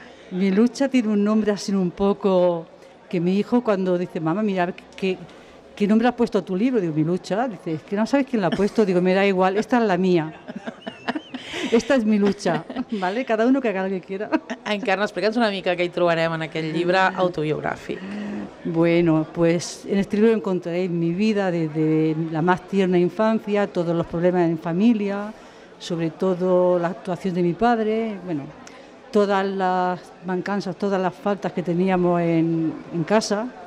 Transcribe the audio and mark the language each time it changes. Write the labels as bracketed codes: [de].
[es] Mi lucha tiene un nombre así un poco que mi hijo cuando dice, mamá, mira, ¿qué nombre has puesto a tu libro? Digo, mi lucha. Dice, es que no sabes quién la ha puesto. Digo, me da igual, esta es la mía. Esta es mi lucha, ¿vale? Cada uno que haga lo que quiera. [ca] Encarna, explica'ns una mica què hi trobarem en aquest llibre autobiogràfic. [es] Bueno, pues en este libro encontraré mi vida desde la más tierna infancia, todos los problemas en familia, sobre todo la actuación de mi padre, bueno, todas las mancanzas, todas las faltas que teníamos en casa.